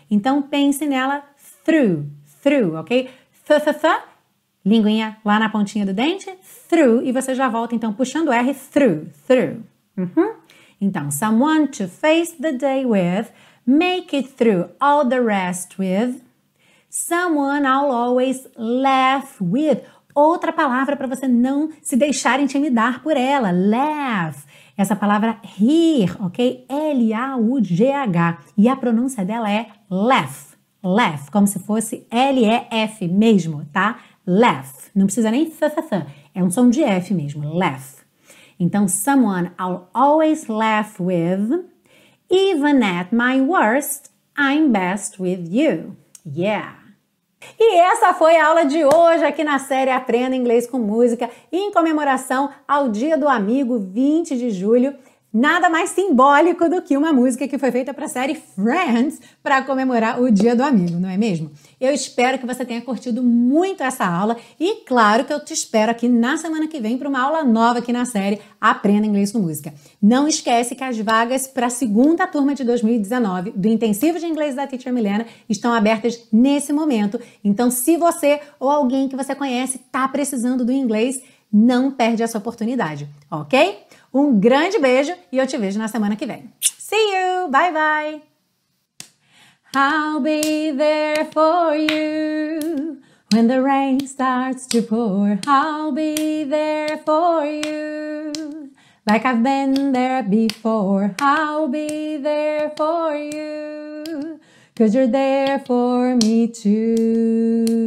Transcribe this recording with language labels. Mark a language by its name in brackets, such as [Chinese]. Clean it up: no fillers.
[Portuguese] Então, pense nela through. Through, ok? Th, linguinha lá na pontinha do dente, through, e você já volta, então, puxando R, through, through. Uhum. Então, [English] someone to face the day with, make it through all the rest with, someone I'll always laugh with. [Portuguese] Outra palavra para você não se deixar intimidar por ela, laugh. Essa palavra rir, ok? L-A-U-G-H, e a pronúncia dela é laugh. Laugh, como se fosse L-E-F mesmo, tá? Laugh. Não precisa nem th-th-th. É um som de F mesmo. Laugh. Então, [English] someone I'll always laugh with. Even at my worst, I'm best with you. Yeah. [Portuguese] E essa foi a aula de hoje aqui na série Aprenda Inglês com Música em comemoração ao Dia do Amigo, 20 de julho. Nada mais simbólico do que uma música que foi feita para a série Friends para comemorar o Dia do Amigo, não é mesmo? Eu espero que você tenha curtido muito essa aula e claro que eu te espero aqui na semana que vem para uma aula nova aqui na série Aprenda Inglês com Música. Não esquece que as vagas para a segunda turma de 2019 do Intensivo de Inglês da Teacher Milena estão abertas nesse momento. Então, se você ou alguém que você conhece está precisando do inglês, não perde essa oportunidade, ok? Um grande beijo e eu te vejo na semana que vem. [English] See you! Bye, bye! I'll be there for you when the rain starts to pour. I'll be there for you like I've been there before. I'll be there for you 'cause you're there for me too.